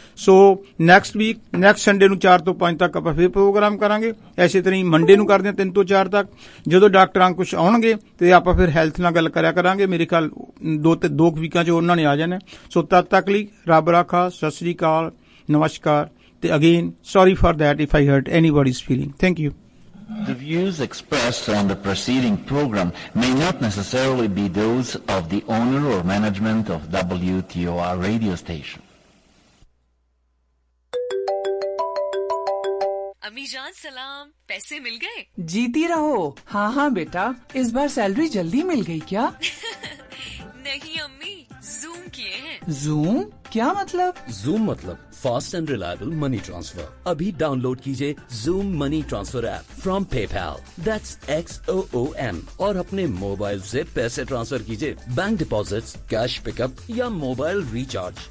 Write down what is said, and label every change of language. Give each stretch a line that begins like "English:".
Punjabi: So next week, next Sunday ਨੂੰ 4 ਤੋਂ 5 ਤੱਕ ਆਪਾਂ ਫਿਰ ਪ੍ਰੋਗਰਾਮ ਕਰਾਂਗੇ, ਇਸੇ ਤਰ੍ਹਾਂ ਹੀ ਮੰਡੇ ਨੂੰ ਕਰਦੇ ਹਾਂ 3 ਤੋਂ 4 ਤੱਕ, ਜਦੋਂ ਡਾਕਟਰ ਅੰਕੁਸ਼ ਆਉਣਗੇ ਅਤੇ ਆਪਾਂ ਫਿਰ ਹੈਲਥ ਨਾਲ ਗੱਲ ਕਰਿਆ ਕਰਾਂਗੇ। ਮੇਰੇ ਖਿਆਲ 2 ਕੁ ਵੀਕਾਂ 'ਚ ਉਹਨਾਂ ਨੇ ਆ ਜਾਣਾ। ਸੋ ਤਦ ਤੱਕ ਲਈ ਰੱਬ ਰਾਖਾ, ਸਤਿ ਸ਼੍ਰੀ ਅਕਾਲ, ਨਮਸਕਾਰ, ਅਤੇ
English: Again sorry for that if I hurt anybody's feeling. Thank you. The views expressed on the preceding program may not necessarily be those of the owner or management of WTOR radio station.
Hindi: अमीजान सलाम, पैसे मिल गए? जीती रहो। हाँ हाँ बेटा, इस बार salary जल्दी मिल गई क्या? नहीं अम्मी, जूम किए हैं। जूम? क्या मतलब? जूम मतलब
English: Fast and reliable money transfer.
Hindi: अभी डाउनलोड कीजिए zoom money transfer app
English: from PayPal, that's XOOM,
Hindi: और अपने मोबाइल से पैसे ट्रांसफर कीजिए, बैंक डिपॉजिट्स, कैश पिकअप या मोबाइल रिचार्ज।